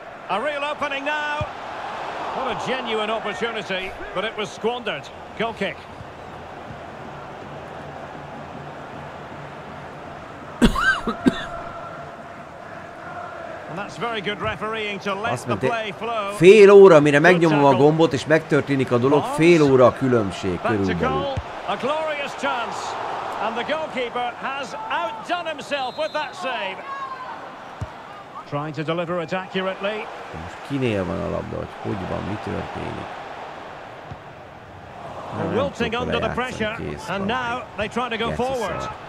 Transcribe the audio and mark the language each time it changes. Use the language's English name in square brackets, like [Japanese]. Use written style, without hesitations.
[English] A real opening now. What a genuine opportunity, but it was squandered. Goal kick. That's very good refereeing to let the play flow. [Hungarian] Fél óra, mire megnyomom a gombot és megtörténik a dolog, fél óra a különbség körülbelül. [English] A glorious chance and the goalkeeper has outdone himself with that save. Trying to deliver it accurately. [Hungarian] Kinél van a labda, hogy van, mi történik? [English] They're wilting under the pressure and now they try to go forward.